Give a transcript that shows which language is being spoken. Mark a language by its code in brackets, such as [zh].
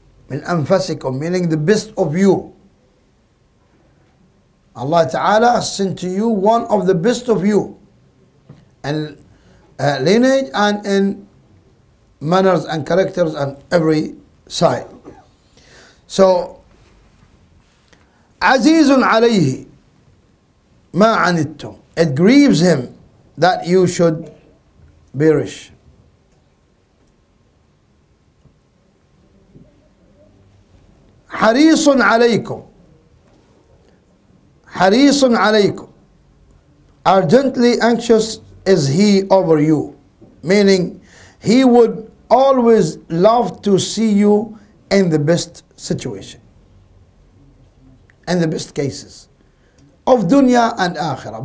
[ar] مِّنْ أَنفَسِكُمْ, [en] meaning the best of you. Allah Ta'ala sent to you one of the best of you in lineage and in manners and characters and every side. [ar] So, عَزِيزٌ عَلَيْهِ مَا عَنِتُمْ. [en] It grieves him that you should perish. [ar] حَرِيصٌ عَلَيْكُمْ. حَرِيصٌ عَلَيْكُمْ. [en] Urgently anxious is he over you. Meaning, he would always love to see you in the best situation, in the best cases of dunya and akhirah.